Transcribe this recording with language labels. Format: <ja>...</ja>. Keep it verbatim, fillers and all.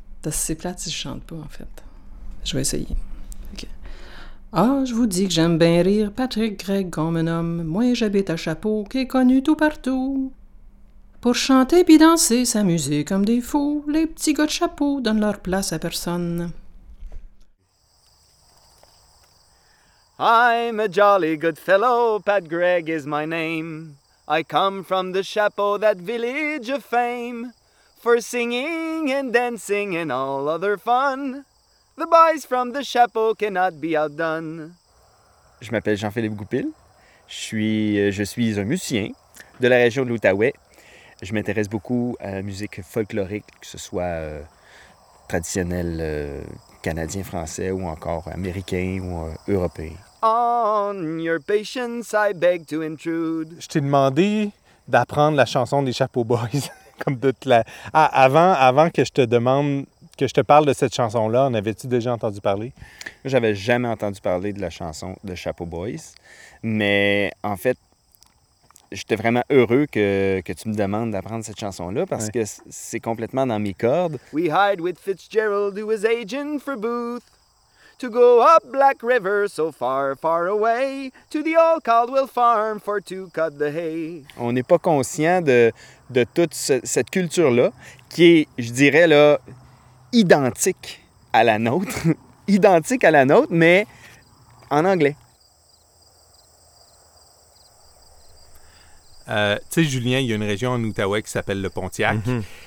<fr>C'est plate si je chante pas, en fait. Je vais essayer. Ah, je vous dis que j'aime bien rire, Patrick Gregg qu'on me nomme. Moi, j'habite à Chapeau, qui est connu tout partout. Pour chanter puis danser, s'amuser comme des fous, les petits gars de Chapeau donnent leur place à personne.</fr> <en>I'm a jolly good fellow, Pat Gregg is my name. I come from the Chapeau, that village of fame, for singing and dancing and all other fun. The boys from the Chapeau cannot be outdone.</en> <fr>Je m'appelle Jean-Philippe Goupil. Je suis, je suis un musicien de la région de l'Outaouais. Je m'intéresse beaucoup à la musique folklorique, que ce soit euh, traditionnelle euh, canadien-français ou encore américain ou euh, européen.</fr> <en>On your patience, I beg to intrude.</en> <fr>Je t'ai demandé d'apprendre la chanson des Chapeaux Boys. Comme de la... ah, avant, avant que je te demande... que je te parle de cette chanson-là, en avais-tu déjà entendu parler? J'avais jamais entendu parler de la chanson de Chapeaux Boys, mais en fait, j'étais vraiment heureux que, que tu me demandes d'apprendre cette chanson-là parce ouais. que c'est complètement dans mes cordes.</fr> <en>We hide with Fitzgerald, who was agent for Booth, to go up Black River so far, far away, to the old Caldwell farm for to cut the hay.</en> <fr>On n'est pas conscient de, de toute ce, cette culture-là qui est, je dirais, là... identique à la nôtre, identique à la nôtre, mais en anglais. Euh, tu sais, Julien, il y a une région en Outaouais qui s'appelle le Pontiac. Mm-hmm.</fr>